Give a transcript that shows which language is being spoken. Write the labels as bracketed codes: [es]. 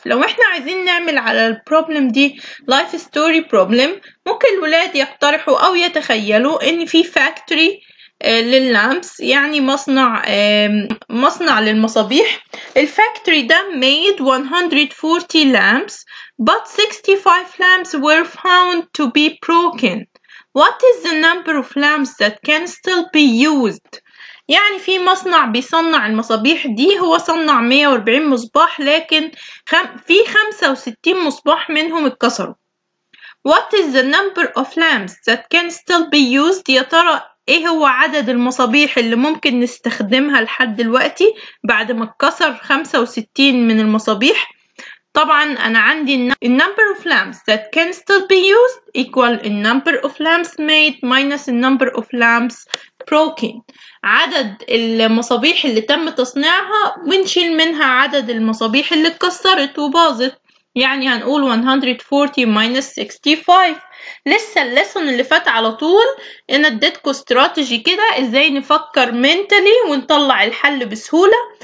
[ar] لو احنا عايزين نعمل على البروبلم دي [en] life story problem، [ar] ممكن الولاد يقترحوا او يتخيلوا ان في factory لللامبس، يعني مصنع للمصابيح. الفاكتوري ده [en] made 140 lamps but 65 lamps were found to be broken. What is the number of lamps that can still be used؟ [ar] يعني في مصنع بيصنع المصابيح دي، هو صنع 140 مصباح لكن في 65 مصباح منهم اتكسروا. [en] What is the number of lamps that can still be used؟ [ar] يا ترى ايه هو عدد المصابيح اللي ممكن نستخدمها لحد دلوقتي بعد ما اتكسر 65 من المصابيح؟ طبعا انا عندي ال [en] number of lamps that can still be used equal the number of lamps made minus the number of lamps broken. [ar] عدد المصابيح اللي تم تصنيعها ونشيل منها عدد المصابيح اللي اتكسرت وباظت، يعني هنقول 140 minus 65. لسه الليسون اللي فات على طول انا اديتكم استراتيجي كده ازاي نفكر منتلي ونطلع الحل بسهولة.